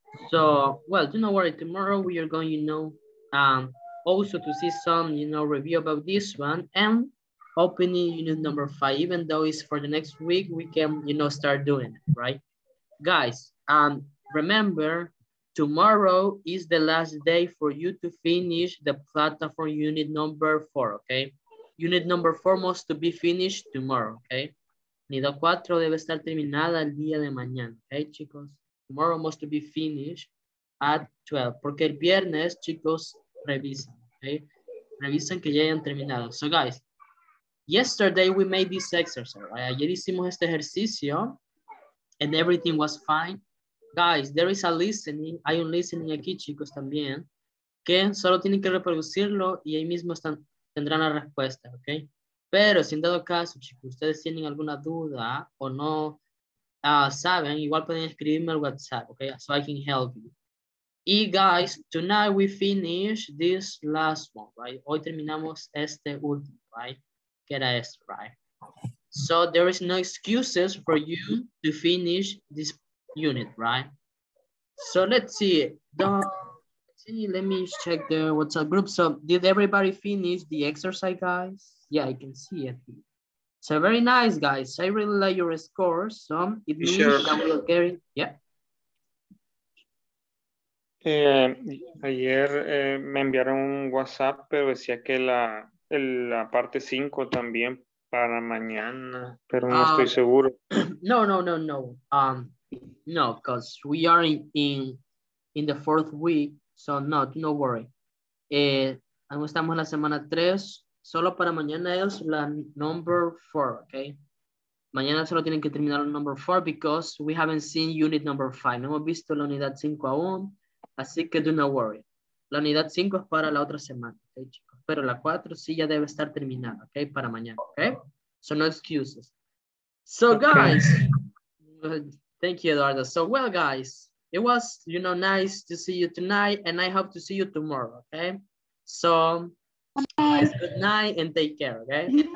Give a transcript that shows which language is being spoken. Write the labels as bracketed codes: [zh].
[en] So, well, do not worry, tomorrow we are going, you know, also to see some, you know, review about this one and opening unit number 5, even though it's for the next week, we can, you know, start doing it, right? Guys, remember, tomorrow is the last day for you to finish the platform unit number 4, okay? Unit number 4 must be finished tomorrow, okay? [es] Unit 4 debe estar terminada el día de mañana, okay, chicos? [en] Tomorrow must be finished at 12, porque el viernes, chicos, revisan, okay? [es] Revisan que ya hayan terminado. [en] So, guys, yesterday we made this exercise, right? [es] Ayer hicimos este ejercicio, and everything was fine. Guys, there is a listening, hay un listening aquí, chicos, también, que solo tienen que reproducirlo y ahí mismo están, tendrán la respuesta, okay? Pero, sin dado caso, chicos, ustedes tienen alguna duda o no, saben, igual pueden escribirme al WhatsApp, okay? [en] So I can help you. Y guys, tonight we finish this last one, right? [es] Hoy terminamos este último, right? Que era esto, right? [en] So there is no excuses for you to finish this unit, right? So let's see. Let me check the WhatsApp group. So did everybody finish the exercise, guys? Yeah, I can see it. So very nice, guys. I really like your scores. So it means sure. That we'll carry. Yeah. [es] Ayer me enviaron un WhatsApp, pero decía que la parte 5 también para mañana, pero no estoy seguro. No. [en] No, because we are in the fourth week, so no worry. [es] Estamos en la semana 3, solo para mañana es la number 4, okay? Mañana solo tienen que terminar el number 4 because we haven't seen unit number 5. No hemos visto la unidad 5 aún. Así que do not worry. La unidad 5 es para la otra semana, okay, chicos. Pero la 4 sí ya debe estar terminada, okay, para mañana, okay. [en] So no excuses. So guys, thank you, Eduardo. So well, guys, it was, you know, nice to see you tonight, and I hope to see you tomorrow, okay. So guys, good night and take care, okay.